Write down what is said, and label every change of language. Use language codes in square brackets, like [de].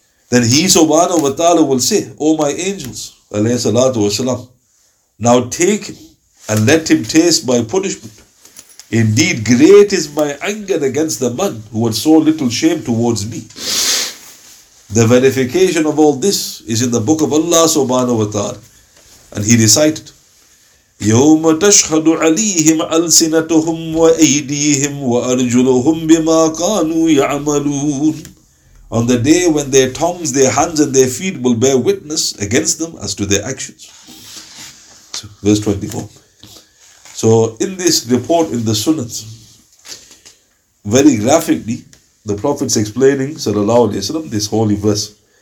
[en] Then he subhanahu wa ta'ala will say, O my angels, alayhi salatu wasalam, now take him and let him taste my punishment. Indeed, great is my anger against the man who had so little shame towards me. The verification of all this is in the book of Allah subhanahu wa ta'ala. And he recited, [ar] يَوْمَ تَشْهَدُ عَلِيهِمْ أَلْسِنَتُهُمْ وَأَيْدِيهِمْ وَأَرْجُلُهُمْ بِمَا كَانُوا يَعْمَلُونَ. [en] On the day when their tongues, their hands and their feet will bear witness against them as to their actions. Verse 24. So in this report in the Sunnahs, very graphically, the Prophet's explaining, sallallahu alayhi wa sallam, this holy verse.